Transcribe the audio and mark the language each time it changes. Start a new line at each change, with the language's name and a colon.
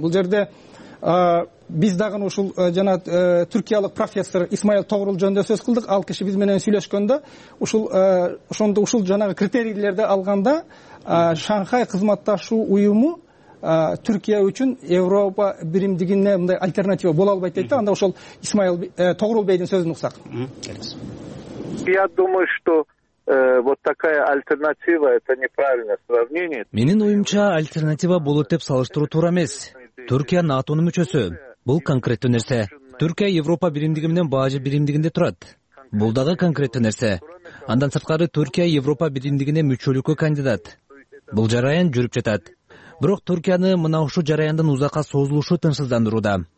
Kyrgyz: Бул жерде биз дагы ушул жана түркиялык профессор Исмаил Тогрул жөнүндө сөз кылдык. Ал киши биз менен сүйлөшкөндө ушул жанагы критерийлерди алганда Шанхай кызматташуу уюму Түркия үчүн Европа биримдигине мындай альтернатива боло албайт дейт да. Анда ошол Исмаил Тогрул бейдин сөзүн уксак.
Russian: Я думаю, что вот такая альтернатива это неправильное сравнение.
Kyrgyz: Менин оюмча альтернатива болот деп салыштыруу туура эмес. Түркия НАТОнун мүчөсү. Бул конкреттүү нерсе. Түркия Европа биримдиги менен баажы биримдигинде турат. Бул дагы конкреттүү нерсе. Андан сырткары Түркия Европа биримдигине мүчөлүккө кандидат. Бул жараян жүрүп жатат. Бирок Түркияны мына ушул жараяндын узакка созулушу тынчсыздандырууда.